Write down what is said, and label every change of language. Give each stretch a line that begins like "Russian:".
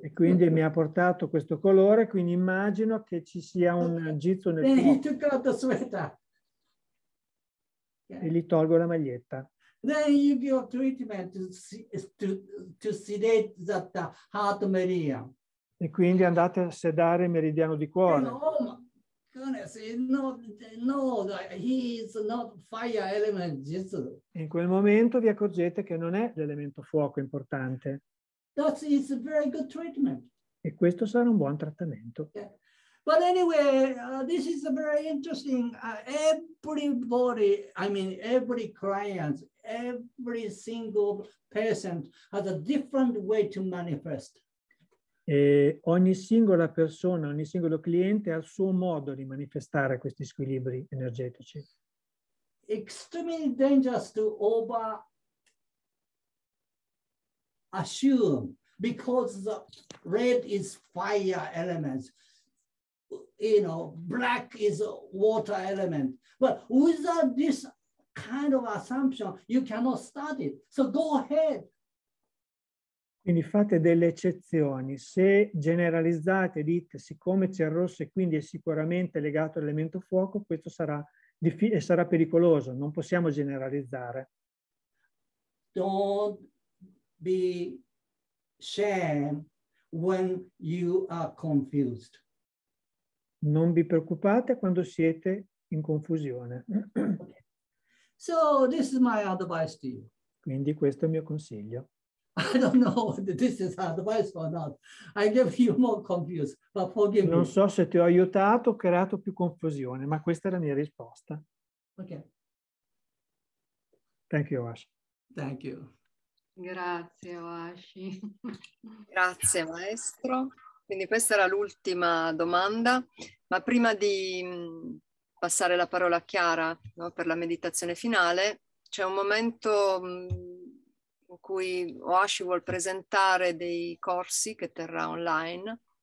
Italian: E quindi mi ha portato questo colore, quindi immagino che ci sia un jitsu nel fuoco.
English: He took out the sweater.
Italian: E gli tolgo la maglietta.
English: Then you give a treatment to sedate that heart meridian.
Italian: E quindi andate a sedare il meridiano di cuore.
English: No, he is not fire element jitsu.
Italian: In quel momento vi accorgete che non è l'elemento fuoco importante.
English: That is a very good treatment.
Italian: E questo sarà un buon trattamento.
English: Yeah. But anyway, this is a very interesting. Every client, every single person has a different way to manifest.
Italian: E ogni singola persona, ogni singolo cliente ha il suo modo di manifestare questi squilibri energetici.
English: Extremely dangerous to over assume because the red is fire element, you know, black is water element. But without this kind of assumption, you cannot start it. So go ahead.
Italian: Quindi fate delle eccezioni. Se generalizzate, dite siccome c'è il rosso e quindi è sicuramente legato all'elemento fuoco, questo sarà difficile e sarà pericoloso. Non possiamo generalizzare.
English: Don't be shame when you are confused.
Italian: Non vi preoccupate quando siete in confusione.
English: So, this is my advice to you.
Italian: Quindi questo è il mio consiglio.
English: I don't know whether this is advice or not. I give you more confused, but forgive me.
Italian: Non so se ti ho aiutato o creato più confusione, ma questa è la mia risposta.
English: Ok. Thank you, Ash. Thank you.
Italian: Grazie, Ashi. Grazie, maestro. Quindi questa era l'ultima domanda, ma prima di passare la parola a Chiara, no, per la meditazione finale, c'è un momento in cui Ashi vuol presentare dei corsi che terrà online.